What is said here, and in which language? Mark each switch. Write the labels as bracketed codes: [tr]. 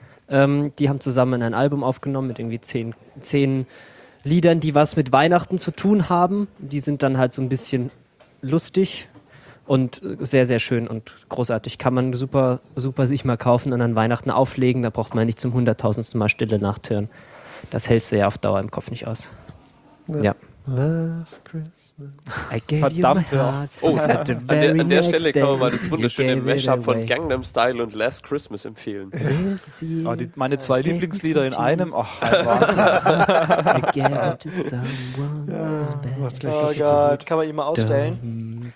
[de] Die haben zusammen ein Album aufgenommen mit irgendwie 10 Liedern, die was mit Weihnachten zu tun haben. Die sind dann halt so ein bisschen lustig. Und sehr, sehr schön und großartig. Kann man super, super sich mal kaufen und an Weihnachten auflegen. Da braucht man nicht zum 100.000. Mal Stille Nacht hören. Das hältst du ja auf Dauer im Kopf nicht aus. Ja. [en] Last Christmas. I gave [de] Verdammt, [en] you my heart. [de] Oh, an der Stelle kann man mal das wunderschöne Mashup von Gangnam Style und Last Christmas empfehlen. Oh, meine zwei Lieblingslieder in einem. Oh, ein Wahnsinn. [en] I gave it to someone special. [de] Oh Gott, kann man ihn mal ausstellen?